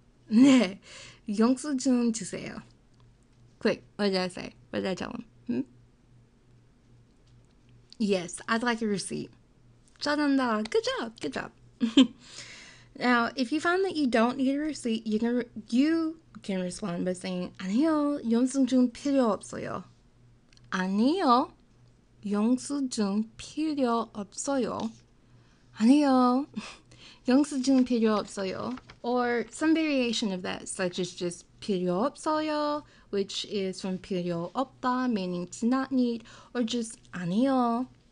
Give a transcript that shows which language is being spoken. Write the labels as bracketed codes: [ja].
[ko] 네, 영수증 주세요. [en] Quick, what did I say? What did I tell him? Yes, I'd like a receipt. Ta-da-da. Good job. Now, if you find that you don't need a receipt, you can respond by saying, [ko] 아니요, 영수증 필요 없어요. 아니요, 영수증 필요 없어요. 아니요, 영수증 필요 없어요. [en] Or some variation of that, such as just [ko] 필요 없어요, [en] which is from [ko] 필요 없다, [en] meaning to not need, or just 아니요.